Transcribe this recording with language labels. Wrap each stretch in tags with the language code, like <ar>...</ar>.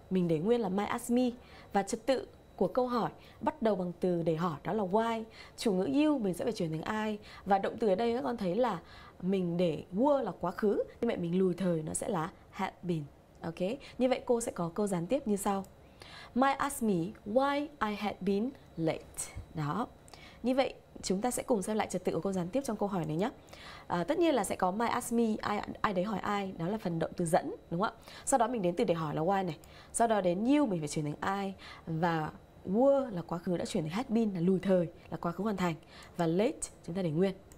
<vi>Mình để nguyên là</vi> <en>Mai ask me,</en> <vi>và trật tự của câu hỏi bắt đầu bằng từ để hỏi đó là why, chủ ngữ you mình sẽ phải chuyển thành I, và động từ ở đây các con thấy là mình để were là quá khứ, như vậy mình lùi thời nó sẽ là had been. Ok, như vậy cô sẽ có câu gián tiếp như sau.</vi> <en>Mai ask me why I had been late.</en> <vi>Đó, như vậy chúng ta sẽ cùng xem lại trật tự của câu gián tiếp trong câu hỏi này nhé. Tất nhiên là sẽ có</vi> <en>Mai ask me,</en> <vi>ai đấy hỏi ai, đó là phần động từ dẫn, đúng không ạ? Sau đó mình đến từ để hỏi là why này. Sau đó đến you mình phải chuyển thành I, và were là quá khứ đã chuyển thành had been là lùi thời, là quá khứ hoàn thành, và late chúng ta để nguyên.</vi>